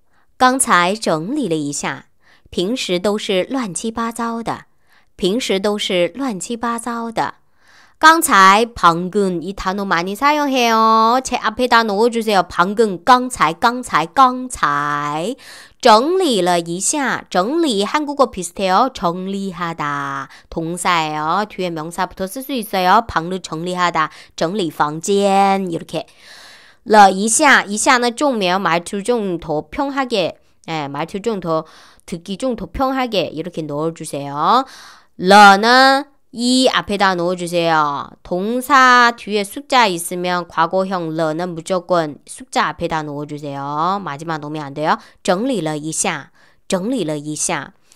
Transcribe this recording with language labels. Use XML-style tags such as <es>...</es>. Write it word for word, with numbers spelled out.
<zh>刚才整理了一下刚才整理了一下.平时都是乱七八糟的平时都是乱七八糟的. 刚才,</zh> <ko>방금 이 단어 많이 사용해요. 제 앞에다 넣어주세요. 방금,</ko> <zh>刚才, 刚才, 刚才. 整理了一下.整理,</zh> <ko>한국어 비슷해요. 정리하다. 동사예요. 뒤에 명사부터 쓸 수 있어요. 방금 정리하다.</ko> <zh>整理房间</zh> <ko>이렇게.</ko> <zh>了一下,</zh> <ko>一下는 좀요. 말투 좀 더 평하게, 예, 말투 좀 더, 듣기 좀 더 평하게 이렇게 넣어주세요. 了는 이 앞에다 넣어주세요. 동사 뒤에 숫자 있으면 과거형 러는 무조건 숫자 앞에다 넣어주세요. 마지막 넣으면 안 돼요.</ko> <zh>整理了一下整理了一下.</zh>